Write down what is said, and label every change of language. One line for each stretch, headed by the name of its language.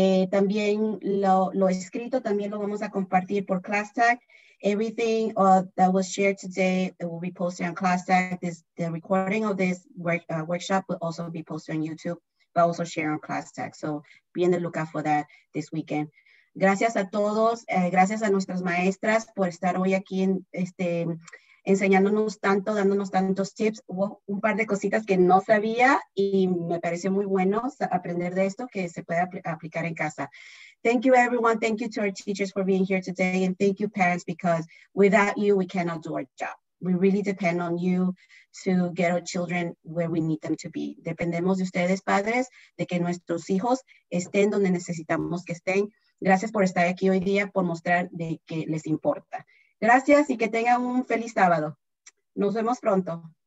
Spanish: También lo escrito también lo vamos a compartir por Classtag.
English: Everything that was shared today will be posted on Classtag. The recording of this workshop will also be posted on YouTube, but also share on Classtag. So be on the lookout for that this weekend.
Spanish: Gracias a todos. Gracias a nuestras maestras por estar hoy aquí en este enseñándonos tanto, dándonos tantos tips. Hubo un par de cositas que no sabía y me pareció muy bueno aprender de esto que se puede aplicar en casa.
English: Thank you, everyone. Thank you to our teachers for being here today. And thank you, parents, because without you, we cannot do our job. We really depend on you to get our children where we need them to be.
Spanish: Dependemos de ustedes, padres, de que nuestros hijos estén donde necesitamos que estén. Gracias por estar aquí hoy día, por mostrar de que les importa. Gracias y que tengan un feliz sábado. Nos vemos pronto.